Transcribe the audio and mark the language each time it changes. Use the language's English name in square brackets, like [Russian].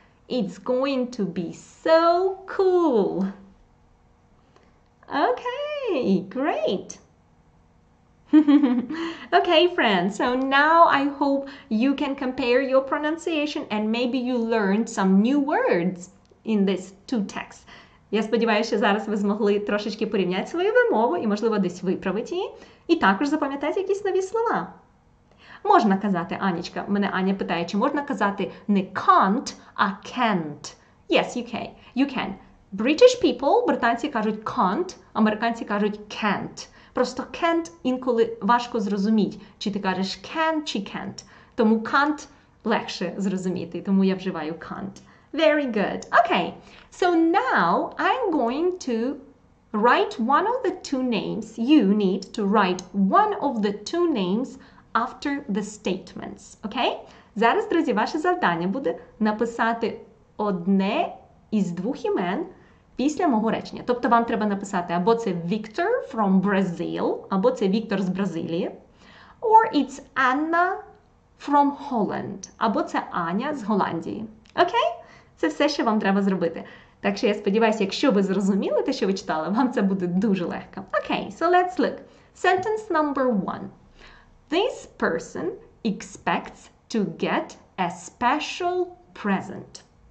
[English] It's going to be so cool. Okay, great. Okay, friends, so now I hope you can compare your pronunciation and maybe you learned some new words in these two texts. [Ukrainian] Я сподіваюся, що зараз ви змогли трошечки порівняти свою вимову і, можливо, десь виправити її, і також запам'ятати якісь нові слова. Можна казати, Анечка, мене Аня питає, чи можна казати не can't, а can't. [English] Yes, you can. British people, [Ukrainian] британці кажуть can't, американці кажуть can't. Просто can't інколи важко зрозуміти, чи ти кажеш can чи can't. Тому can't легше зрозуміти, тому я вживаю can't. [English] Very good. Okay, so now I'm going to write one of the two names. You need to write one of the two names after the statements. Okay? [Ukrainian] Зараз, друзі, ваше завдання буде написати одне із двох імен після мого речення. Тобто вам треба написати або це [English] Victor from Brazil, [Ukrainian] або це Victor з Бразилії, [English] or it's Anna from Holland, [Ukrainian] або це Аня з Голландії. Okay? Це все, що вам треба зробити. Так що я сподіваюся, якщо ви зрозуміли те, що ви читали, вам це буде дуже легко. [English] Okay, so let's look. Sentence number one. This person expects to get a special present.